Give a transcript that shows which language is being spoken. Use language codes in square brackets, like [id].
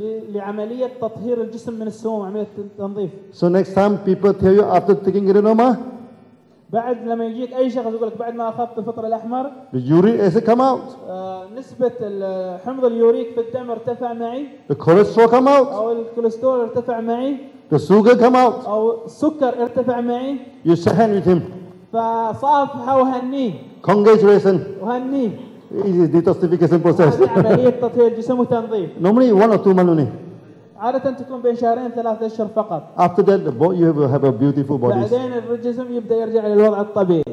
[ar] لعملية تطهير الجسم من السموم عملية تنظيف. [en] So next time people tell you after taking Geronoma. [ar] بعد لما يجيك أي شخص يقولك بعد ما أخذت الفطر الأحمر. [en] The urine has come out. [ar] نسبة الحمض اليوريك في الدم ارتفع معي. [en] The cholesterol come out. [ar] أو الكوليسترول ارتفع معي. [en] The sugar come out. [ar] أو السكر ارتفع معي. [en] You shake hands with him. [ar] فصافحه وهنيه. [en] Congratulations. [ar] وهنيه. [en] It is detoxification process. [ar] عملية تطهير الجسم وتنظيف. [en] Normally one or two months only. [ar] عادة تكون بين 2 أو 3 أشهر فقط. [en] After that, the boy, you will have a beautiful body. [ar] بعدين الجسم يبدأ يرجع للوضع الطبيعي.